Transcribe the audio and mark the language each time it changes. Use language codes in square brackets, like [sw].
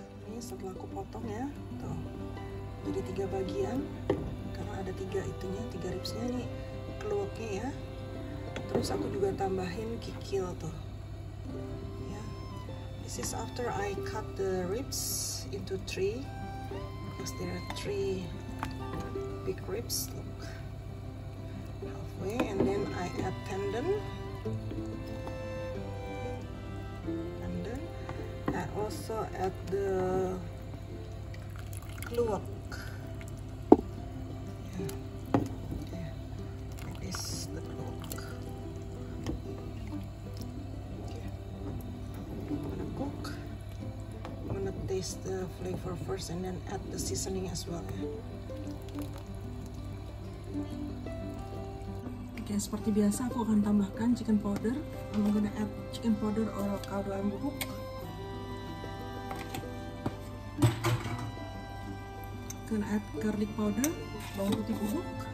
[id] Ini setelah aku potong ya, tuh, jadi tiga bagian, karena ada tiga itunya, tiga ribsnya nih, keluaknya ya. Terus aku juga tambahin kikil tuh. [en] This is after I cut the ribs into three, because there are three big ribs, look, halfway, and then I add tendon, and also add the luwak, yeah. Like this, the luwak. Taste the flavor first and then add the seasoning as well ya. [id] Oke, okay, seperti biasa aku akan tambahkan chicken powder. [en] I'm gonna add chicken powder or [id] kaldu ayam bubuk. [en] Gonna add garlic powder, [id] bawang putih bubuk.